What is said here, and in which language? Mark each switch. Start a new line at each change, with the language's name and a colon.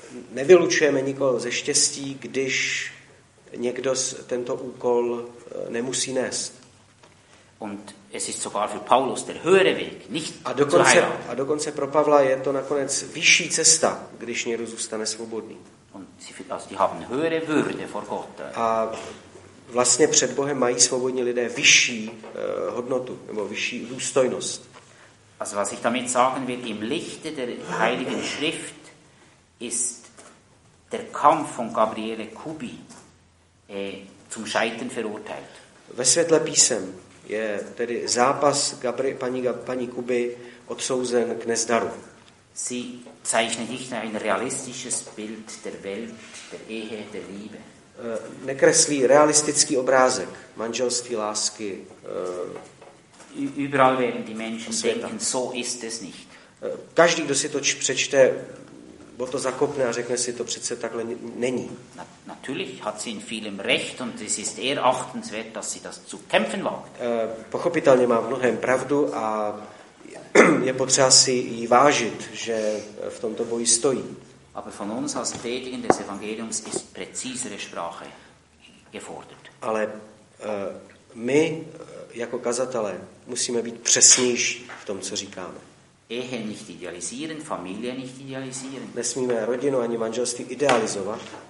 Czech: Nevylučujeme nikoho ze štěstí, když někdo tento úkol nemusí nést.
German: Und es ist sogar für Paulus der höhere Weg, nicht
Czech: a dokonce pro Pavla je to nakonec vyšší cesta, když někdo zůstane svobodný.
German: Und sie, also die haben höhere Würde vor Gott.
Czech: A vlastně před Bohem mají svobodní lidé vyšší hodnotu nebo vyšší důstojnost.
German: Also was ich damit sagen will, im Lichte der Heiligen Schrift ist der Kampf von Gabriele Kubi zum Scheitern verurteilt.
Czech: Ve světle písem je tedy zápas paní Kuby odsouzen k nezdaru.
German: Sie zeichnet nicht ein realistisches Bild der Welt, der Ehe, der Liebe.
Czech: Nekreslí realistický obrázek manželství, lásky.
German: Überall werden die Menschen denken, so ist es nicht.
Czech: Každý, kdo si to přečte, bo to zakopne a řekne si, to přece takhle není.
German: Natürlich hat sie in vielem recht und es ist erachtenswert, dass sie das zu kämpfen wagt.
Czech: Pochopitelně má v mnohem pravdu a je potřeba si jí vážit, že v tomto boji stojí.
German: Aber von uns als Predigen des Evangeliums ist präzisere Sprache gefordert.
Czech: Ale my jako kazatelé musíme být přesnější v tom, co říkáme.
German: Ehe nicht idealisieren, Familie nicht idealisieren.
Czech: Nesmíme rodinu ani manželství idealizovat.